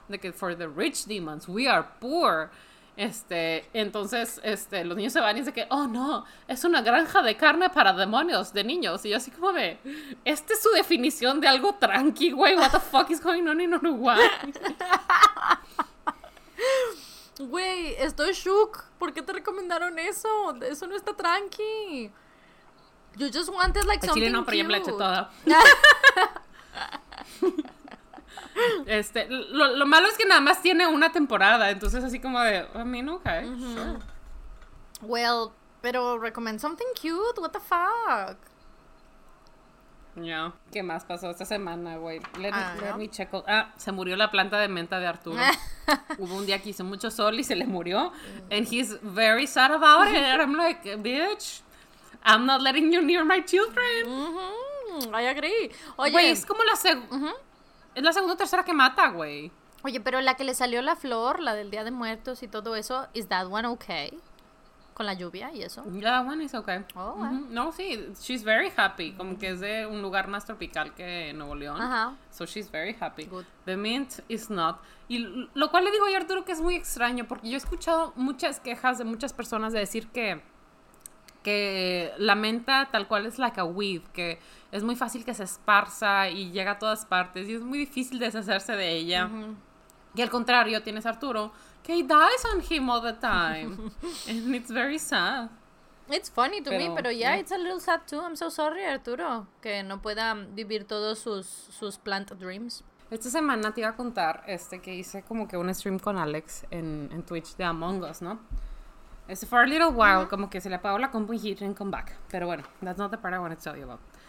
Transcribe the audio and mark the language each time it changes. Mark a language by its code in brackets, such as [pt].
[es] De que [en] for the rich demons, we are poor. [es] Entonces, los niños se van y dicen que, oh no, es una granja de carne para demonios de niños. Y yo así como de, ¿esta es su definición de algo tranqui, güey? [en] What the fuck is going on in Uruguay? [es] Güey, estoy [en] shook. [es] ¿Por qué te recomendaron eso? Eso no está tranqui. [en] You just wanted like something [es] cute. No, pero ya me la eché toda. lo malo es que nada más tiene una temporada. Entonces así como de, a mí nunca, ¿eh? [en] Uh-huh. Well, [es] pero [en] recommend something cute. What the fuck? Yeah. [es] ¿Qué más pasó esta semana, güey? [en] Let me check. [es] Se murió la planta de menta de Arturo. Hubo un día que hizo mucho sol y se le murió. [en] And he's very sad about it. And I'm like, bitch, I'm not letting you near my children. Mm-hmm. I agree. [es] Oye, güey, es como la segunda. Es la segunda o tercera que mata, güey. Oye, pero la que le salió la flor, la del Día de Muertos y todo eso, [en] ¿is that one okay? [es] Con la lluvia y eso. [en] That one is okay. Oh, mm-hmm. [es] No, sí, [en] she's very happy. [es] Como que es de un lugar más tropical que Nuevo León. Ajá. [en] So she's very happy. Good. The mint is not. [es] Y lo cual le digo a Arturo que es muy extraño, porque yo he escuchado muchas quejas de muchas personas de decir que la menta tal cual es [en] like a weed, [es] que es muy fácil que se esparza y llega a todas partes y es muy difícil deshacerse de ella. Mm-hmm. Y al contrario, tienes a Arturo, que [en] he dies on him all the time. And it's very sad. It's funny to me, [es] pero [en] yeah, it's a little sad too. I'm so sorry, [es] Arturo, que no pueda vivir todos sus [en] plant dreams. [es] Esta semana te iba a contar que hice como que un stream con Alex en Twitch de Among Us, ¿no? [en] For a little while, [es] como que se le apagó la compu y [en] he didn't come back. [es] Pero bueno, [en] that's not the part I want to tell you about.